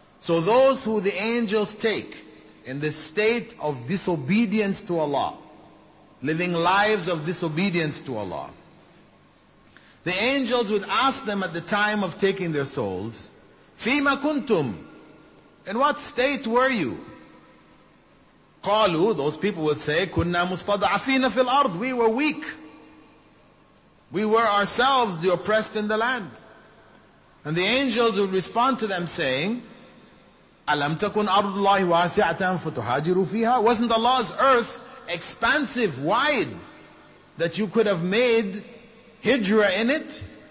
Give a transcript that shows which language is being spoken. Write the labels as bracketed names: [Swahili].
[English] So those who the angels take in the state of disobedience to Allah, living lives of disobedience to Allah, the angels would ask them at the time of taking their souls, [Arabic] فِيمَ كُنْتُمْ? [English] In what state were you? [Arabic] قَالُوا, [English] those people would say, [Arabic] كُنَّا مُسْتَضْعَفِينَ فِي الْأَرْضِ. [English] We were weak. We were ourselves the oppressed in the land. And the angels would respond to them saying, [Arabic] أَلَمْ تَكُنْ أَرْضُ اللَّهِ وَاسِعَةً فَتُهَاجِرُوا فِيهَا? [English] Wasn't Allah's earth expansive, wide, that you could have made Hijra in it?